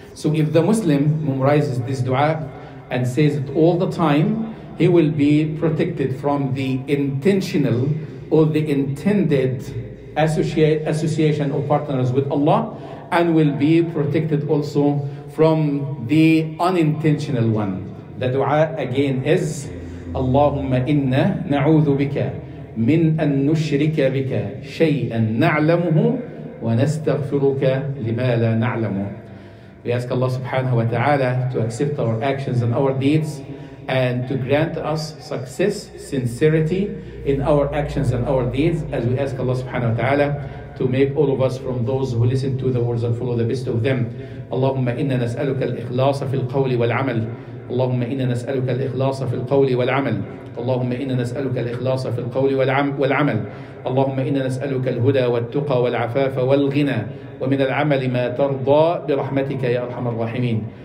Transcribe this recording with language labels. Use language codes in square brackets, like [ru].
[en] So if the Muslim memorizes this dua and says it all the time, he will be protected from the intentional or the intended association of partners with Allah, and will be protected also from the unintentional one. The dua again is, [ar] اللهم إنا نعوذ بك من أن نشرك بك شيئا نعلمه ونستغفرك لما لا نعلمه. [en] We ask Allah subhanahu wa ta'ala to accept our actions and our deeds and to grant us success, sincerity in our actions and our deeds, as we ask Allah subhanahu wa ta'ala to make all of us from those who listen to the words and follow the best of them. [ar] اللهم إنا نسألك الإخلاص في القول والعمل. اللهم إنا نسألك الإخلاص في القول والعمل. اللهم إنا نسألك الإخلاص في القول والعمل. اللهم إنا نسألك الهدى والتقى والعفاف والغنى ومن العمل ما ترضى برحمتك يا أرحم الراحمين.